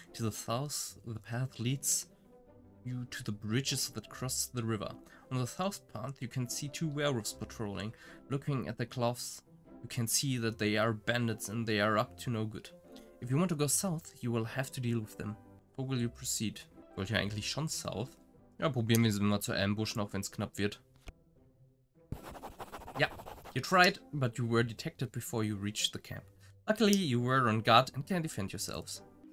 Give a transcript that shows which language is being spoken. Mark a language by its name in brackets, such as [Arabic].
[English] To the south, the path leads you to the bridges that cross the river. On the south path, you can see two werewolves patrolling. Looking at the cloths, you can see that they are bandits and they are up to no good. If you want to go south, you will have to deal with them. How will you proceed? [German] Wollte ja eigentlich schon [English] south. [German] Ja, probieren wir sie mal zu ambushen, auch wenn es knapp wird. [English] Ja, you tried, but you were detected before you reached the camp. Luckily, you were on guard and can defend yourselves.